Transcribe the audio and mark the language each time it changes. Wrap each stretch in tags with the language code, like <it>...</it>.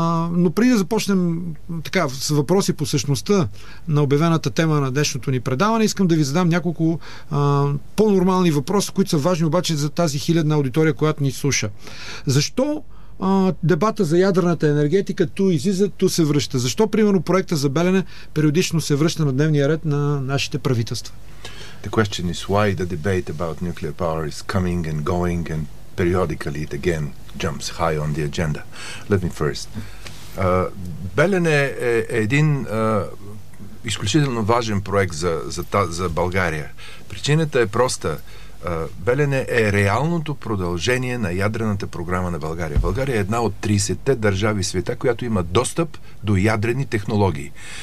<bg>Но преди да започнем така с въпроси по същността на обявената тема на днешното ни предаване, искам да ви задам няколко по-нормални въпроси, които са важни обаче за тази хилядна аудитория, която ни слуша. Защо дебата за ядрената енергетика ту излиза, ту се връща? Защо, примерно, проекта за Белене периодично се връща на дневния ред на нашите правителства?</bg> <en>The question is why the debate about nuclear power is coming and going and periodically it again jumps high on the agenda. Let me first.</en> <bg>Белене е един изключително важен проект за България. Причината е проста. Белене е реалното продължение на ядрената програма на България. България е една от 30-те държави в света, която има достъп до ядрени технологии.</bg>